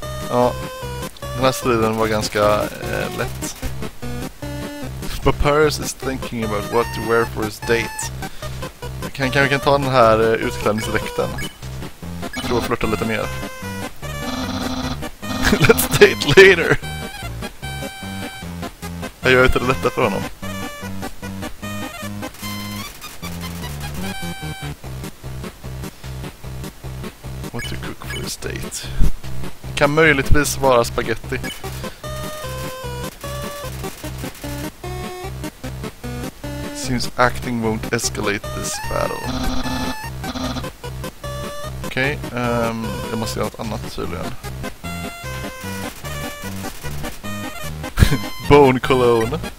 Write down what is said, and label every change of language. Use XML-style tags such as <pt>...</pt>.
<sv>Ja, den här striden var ganska lätt.</sv> <en>Papyrus is thinking about what to wear for his date.</en> <sv>Kan vi kan ta den här utklädningsdräkten. Prova att flirta lite mer.</sv> <en>Let's date later.</en> <sv>Jag gör inte det lättare för honom.</sv> <en>What to cook for his date.</en> <sv>Kan möjligtvis vara spaghetti.</sv> <en>Seems acting won't escalate this battle.</en> <sv>Okej, jag måste göra något annat tydligen.</sv> <en>Bone cologne.</en>